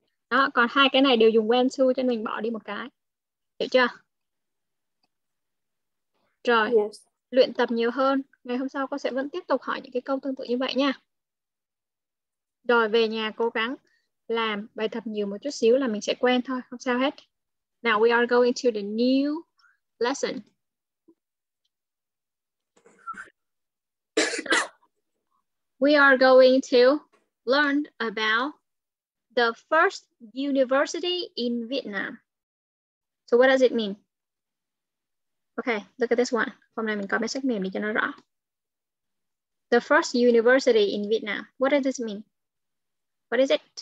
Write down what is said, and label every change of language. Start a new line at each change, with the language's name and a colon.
Vietnamese: Đó, còn hai cái này đều dùng
English: went to
Vietnamese: cho nên mình bỏ đi một cái. Hiểu chưa? Rồi,
English: yes.
Vietnamese: Luyện tập nhiều hơn, ngày hôm sau cô sẽ vẫn tiếp tục hỏi những cái câu tương tự như vậy nha. Rồi, về nhà cố gắng làm bài tập nhiều một chút xíu là mình sẽ quen thôi, không sao hết.
English: Now we are going to the new lesson. We are going to learn about the first university in Vietnam. So what does it mean? Okay, look at this one.
Vietnamese: Hôm nay mình có mấy sách mềm để cho nó rõ.
English: The first university in Vietnam. What does this mean? What is it?